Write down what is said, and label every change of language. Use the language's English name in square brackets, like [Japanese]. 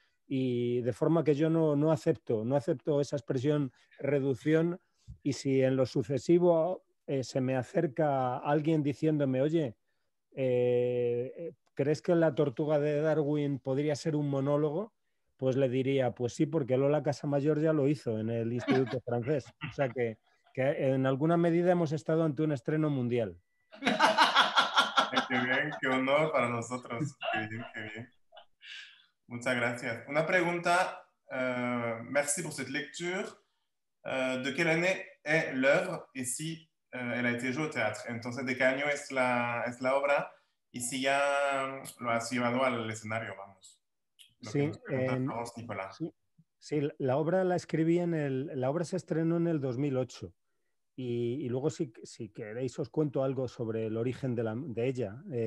[Spanish] Y de forma que yo no acepto esa expresión reducción, y si en lo sucesivo se me acerca alguien diciéndome, oye, ¿crees que la tortuga de Darwin podría ser un monólogo? Pues le diría, pues sí, porque Lola Casamayor ya lo hizo en el Instituto Francés. O sea que en alguna medida hemos estado ante un estreno mundial. Qué bien, qué honor para nosotros. Qué bien, qué bien. Muchas gracias. Una pregunta. [French] Merci pour cette lecture. ¿De quelle année est l'œuvre? Y si elle a été jouée au théâtre. [Spanish] Entonces, ¿de qué año es la obra? Y si ya lo has llevado al escenario, vamos. Sí, la obra la escribí en el... La obra se estrenó en el 2008. Y luego, si queréis, os cuento algo sobre el origen de ella.